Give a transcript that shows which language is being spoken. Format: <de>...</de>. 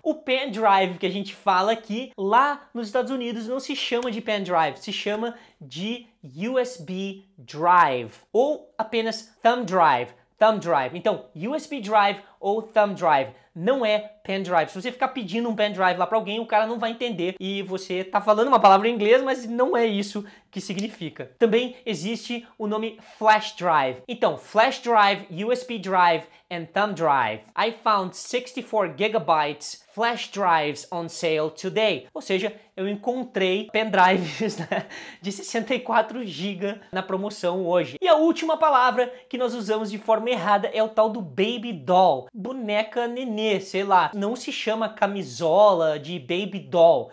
<pt>O pendrive que a gente fala aqui, lá nos Estados Unidos, não se chama de pendrive, se chama de USB drive ou apenas thumb drive. Então, USB drive ou thumb drive, não é pendrive. Se você ficar pedindo um pendrive lá pra alguém, o cara não vai entender e você tá falando uma palavra em inglês, mas não é isso que significa. Também existe o nome flash drive. Então,</pt> <en>flash drive, USB drive and thumb drive. I found 64 gigabytes flash drives on sale today.</en> <pt>Ou seja, eu encontrei pendrives, né, de 64 GB na promoção hoje. E a última palavra que nós usamos de forma errada é o tal do baby doll. Boneca nenê, sei lá. Não se chama camisola de baby doll.</pt>